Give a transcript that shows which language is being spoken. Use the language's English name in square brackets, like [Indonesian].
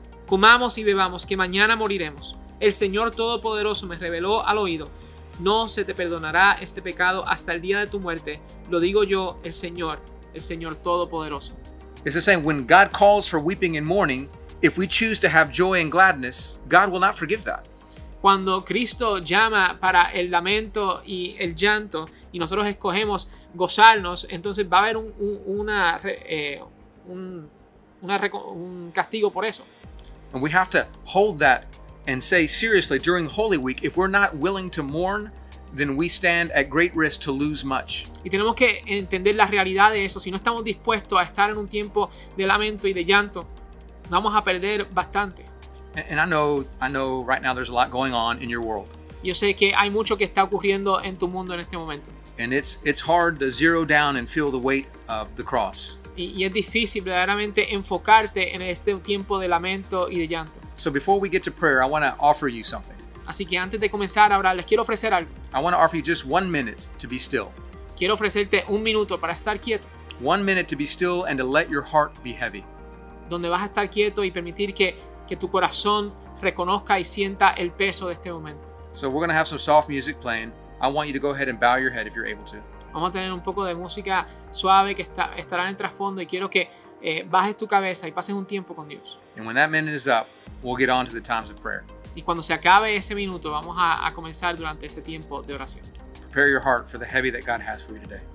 [Spanish] Comamos y bebamos, que mañana moriremos. El Señor Todopoderoso me reveló al oído. No se te perdonará este pecado hasta el día de tu muerte. Lo digo yo, el Señor Todopoderoso. [English] It's the same, when God calls for weeping and mourning, if we choose to have joy and gladness, God will not forgive that. [Spanish] Cuando Cristo llama para el lamento y el llanto y nosotros escogemos gozarnos, entonces va a haber un castigo por eso. [English] And we have to hold that and say seriously during Holy Week, if we're not willing to mourn, then we stand at great risk to lose much. [Spanish] Y tenemos que entender la realidad de eso. Si no estamos dispuestos a estar en un tiempo de lamento y de llanto, vamos a perder bastante. [English] And I know right now there's a lot going on in your world. [Spanish] Yo sé que hay mucho que está ocurriendo en tu mundo en este momento. [English] And it's hard to zero down and feel the weight of the cross. [Spanish] Y es difícil verdaderamente enfocarte en este tiempo de lamento y de llanto. [English] So before we get to prayer, I want to offer you something. [Spanish] Así que antes de comenzar ahora les quiero ofrecer algo. [English] I want to offer you just 1 minute to be still. [Spanish] Quiero ofrecerte un minuto para estar quieto. [English] 1 minute to be still and to let your heart be heavy. [Spanish] Donde vas a estar quieto y permitir que tu corazón reconozca y sienta el peso de este momento. [English] So we're going to have some soft music playing. I want you to go ahead and bow your head if you're able to. [Spanish] Vamos a tener un poco de música suave que estará en el trasfondo y quiero que bajes tu cabeza y pases un tiempo con Dios. [English] And when that minute is up, we'll get on to the times of prayer. [Spanish] Y cuando se acabe ese minuto, vamos a comenzar durante ese tiempo de oración. [English] Prepare your heart for the heavy that God has for you today.